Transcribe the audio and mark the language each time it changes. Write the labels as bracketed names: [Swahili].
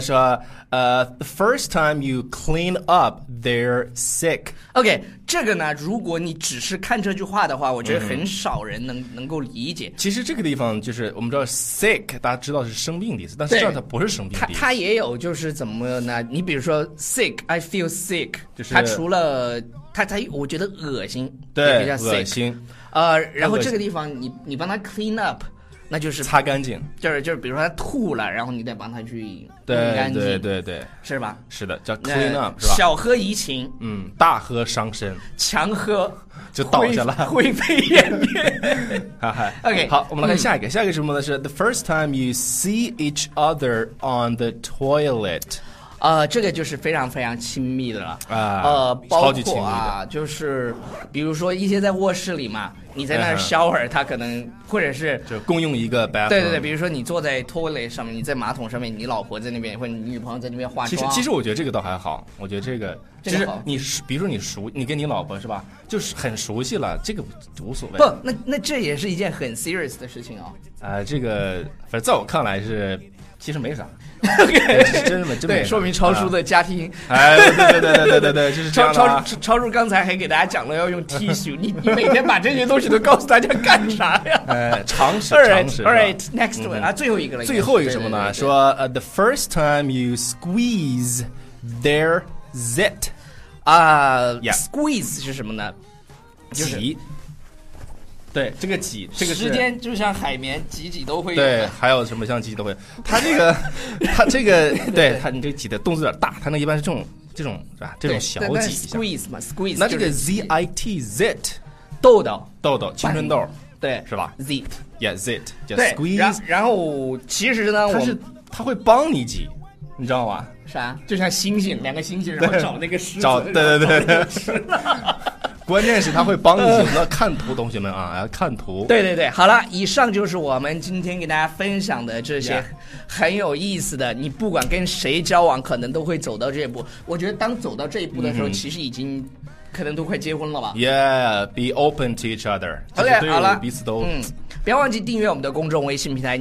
[Chinese] 是 [English] the first time you clean up their sick。 [Chinese] OK， 这个呢，如果你只是看这句话的话，我觉得很少人能够理解。其实这个地方就是我们知道 sick， 大家知道是生病的意思，但实际上它不是生病的意思。它也有就是怎么呢？你比如说 [English] sick，I feel sick， [Chinese] 就是它除了它，我觉得恶心，对，比较 sick，恶心。然后这个地方你帮他 clean up， 那就是擦干净，就是比如说他吐了，然后你得帮他去弄干净，对对对，是吧？是的，叫 clean up， 是吧？小喝怡情，大喝伤身，强喝就倒下了，灰飞烟灭。OK，好，我们来看下一个，下一个什么呢？是 [English] the first time you see each other on the toilet。 [Chinese] 这个就是非常非常亲密的了啊，包括啊，就是比如说一些在卧室里嘛，你在那儿 shower， 他可能或者是就共用一个 bathroom，对对对，比如说你坐在 toilet 上面，你在马桶上面，你老婆在那边或者你女朋友在那边化妆。其实我觉得这个倒还好，我觉得这个就是你比如说你跟你老婆是吧，就是很熟悉了，这个无所谓。不，那这也是一件很 serious 的事情哦。这个反正在我看来是其实没啥。 [English] Okay， [Chinese] 真的对，说明超叔的家庭。哎，对，就是这样的、啊。超叔刚才还给大家讲了要用 T 恤，你每天把这些东西都告诉大家干啥呀？哎，常识，常识。 [English] All right, next one、 [Chinese] 最后一个了。最后一个什么呢？对对对，说 [English] the first time you squeeze their zit， [Chinese] squeeze 是什么呢？就是。对，这个挤，这个时间就像海绵，挤挤都会有。对，还有什么像挤挤都会？他这个，对他，你这挤的动作有点大，他那一般是这种是吧？这种小挤一下。 [English] squeeze 嘛 ，squeeze。 [Chinese] 那这个 [English] z i t z， [Chinese] 痘痘，青春痘，对，是吧 [English] ？zit， yeah zit， 叫 squeeze。 [Chinese] 然后其实呢，它是它会帮你挤，你知道吗？啥？就像猩猩，两个猩猩，然后找那个狮子，找对对对。关键是他会帮你那看图，同学们啊，看图。对对对，好了，以上就是我们今天给大家分享的这些很有意思的。你不管跟谁交往，可能都会走到这一步。我觉得当走到这一步的时候，其实已经可能都快结婚了吧。 [English] Yeah, be open to each other. [Chinese] OK, 好了，彼此都。不要忘记订阅我们的公众微信平台《